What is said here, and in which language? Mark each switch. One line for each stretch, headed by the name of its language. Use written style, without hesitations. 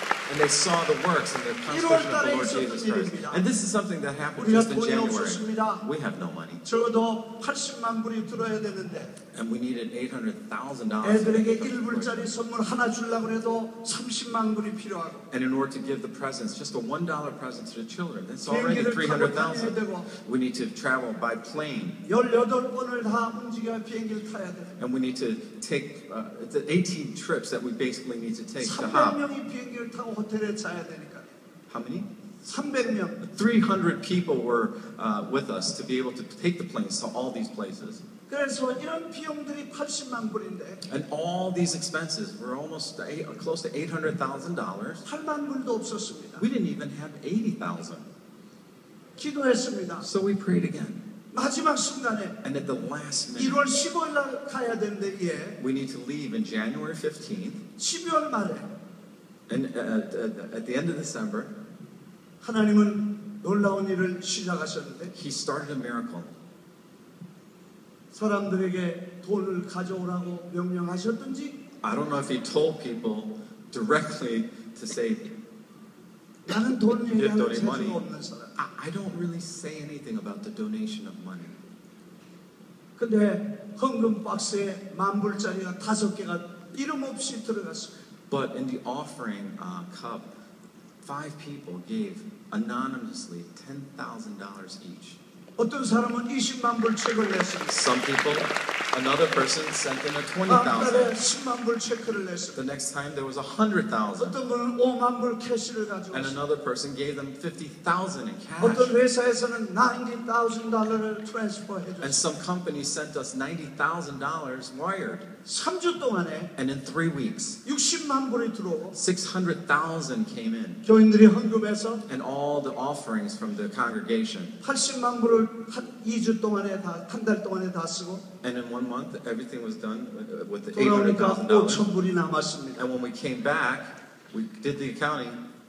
English: And they saw the works and the construction of the Lord Jesus Christ.
Korean: 일입니다.
English: And this is something that happened just in January.
Korean: 없었습니다.
English: We have no money.
Korean: 적어도 80만 불이 들어야 되는데.
English: And we needed $800,000.
Korean: 애들에게 1불짜리 선물 하나 주려고 해도 30만 불이 필요하고.
English: And in order to give the presents, just a $1 present to the children, that's already $300,000. We need to travel by plane.
Korean: 18번을 다 움직여 비행기를 타야 돼.
English: And we need to take the 18 trips that we basically need to take to hop.
Korean: 300명이 비행기를 타고 호텔에 자야 되니까.
English: How many?
Korean: 300명.
English: 300 people were with us to be able to take the planes to all these places.
Korean: 그래서 이런 비용들이 80만 불인데.
English: And all these expenses were almost close to $800,000.
Korean: 8만 불도 없었습니다.
English: We didn't even have 80,000.
Korean: 기도했습니다.
English: So we prayed again.
Korean: 마지막 순간에.
English: And at the last minute.
Korean: 1월 15일 날 가야 되는데 예.
English: We need to leave in January 15th.
Korean: 12월 말에.
English: And at the end of December.
Korean: 하나님은 놀라운 일을 시작하셨는데.
English: He started a miracle.
Korean: 사람들에게 돈을 가져오라고 명령하셨든지.
English: I don't know if he told people directly to say.
Korean: 나는 돈 얘기하는 재주가 없는 사람.
English: I don't really say anything about the donation of money.
Korean: 근데 헌금 박스에 만 불짜리가 다섯 개가 이름 없이 들어갔어요.
English: But in the offering cup, five people gave anonymously $10,000 each.
Korean: 어떤 사람은 20만 불 체크를 냈습니다.
English: Some people, another person sent in a 20,000.
Korean: 10만 불 체크를 냈습니다.
English: The next time there was 100,000.
Korean: 어떤 분은 5만 불 캐시를 가지고.
English: And another person gave them 50,000 in cash.
Korean: 어떤 회사에서는 $90,000을 트랜스퍼해줬습니다.
English: And some company sent us $90,000 wired.
Korean: 3주 동안에.
English: And in 3 weeks.
Korean: 60만 불이 들어오고.
English: 600,000 came in.
Korean: 교인들이 헌금해서.
English: And all the offerings from the congregation.
Korean: 80만 불을 2주 동안에 다 한 달 동안에 다 쓰고.
English: And in 1 month, everything was done with the $800,000.
Korean: 5천 불이 남았습니다.
English: And when we came back, we did the accounting.